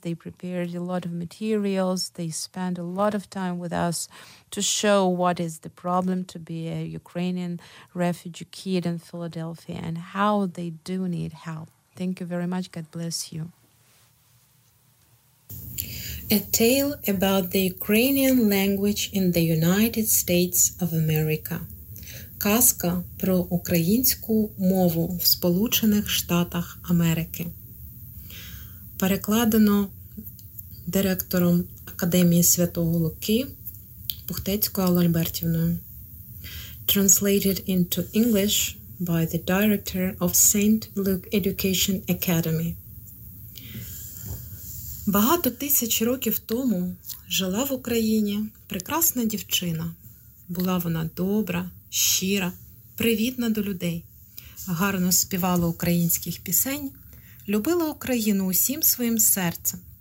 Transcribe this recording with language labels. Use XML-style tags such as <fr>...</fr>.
<en>They prepared a lot of materials. They spent a lot of time with us to show what is the problem to be a Ukrainian refugee kid in Philadelphia and how they do need help. Thank you very much. God bless you. A tale about the Ukrainian language in the United States of America.</en> <uk>Казка про українську мову в Сполучених Штатах Америки. Перекладено директором Академії Святого Луки Пухтецькою Аллою Альбертівною.</uk> <en>Translated into English by the director of St. Luke Education Academy.</en> <uk>Багато тисяч років тому жила в Україні прекрасна дівчина. Була вона добра, щира, привітна до людей, гарно співала українських пісень, любила Україну усім своїм серцем.</uk>